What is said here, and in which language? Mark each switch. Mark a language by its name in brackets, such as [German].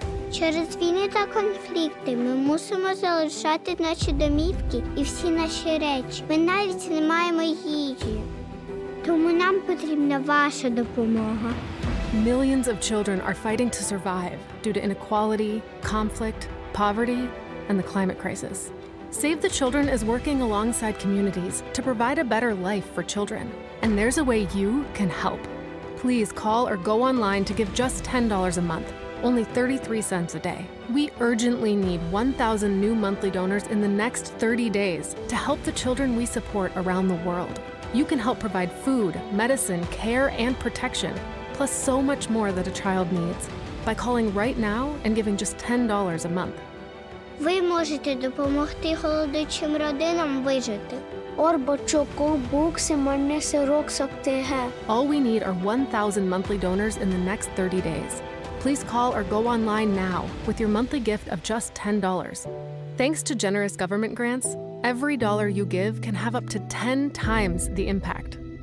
[Ukrainian] Через війни конфлікти ми мусимо залишати наші домівки і всі наші речі. Ми навіть не маємо їжі. Тому нам потрібна ваша допомога. [English] Millions of children are fighting to survive due to inequality, conflict, poverty, and the climate crisis. Save the Children is working alongside communities to provide a better life for children. And there's a way you can help. Please call or go online to give just $10 a month. Only 33 cents a day. We urgently need 1,000 new monthly donors in the next 30 days to help the children we support around the world. You can help provide food, medicine, care, and protection, plus so much more that a child needs by calling right now and giving just $10 a month. [Ukrainian] Ви можете допомогти голодуючим родинам вижити. [English] All we need are 1,000 monthly donors in the next 30 days. Please call or go online now with your monthly gift of just $10. Thanks to generous government grants, every dollar you give can have up to 10 times the impact.